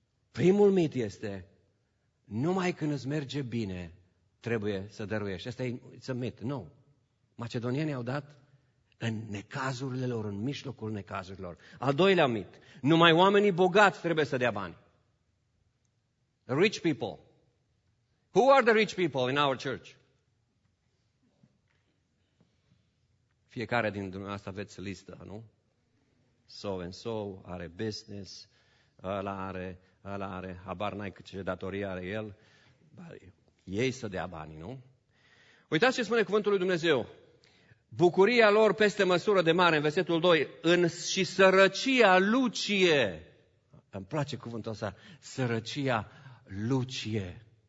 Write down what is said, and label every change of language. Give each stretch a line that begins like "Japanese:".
Romanian: Primul mit este... numai când îți merge bine, trebuie să dăruiești. Asta e un mit. Nu. Macedonienii au dat în necazurile lor, în mijlocul necazurilor. Al doilea mit. Numai oamenii bogați trebuie să dea bani.
English: Rich people. Who are the rich people in our church?
Romanian: Fiecare din dumneavoastră aveți listă, nu?
English: So and so are business,
Romanian: ăla are... ăla are, habar n-ai ce datorie are el, ei să dea bani, nu? Uitați ce spune cuvântul lui Dumnezeu. Bucuria lor peste măsură de mare, în versetul 2, în și sărăcia Lucie. Îmi place cuvântul ăsta, sărăcia Lucie.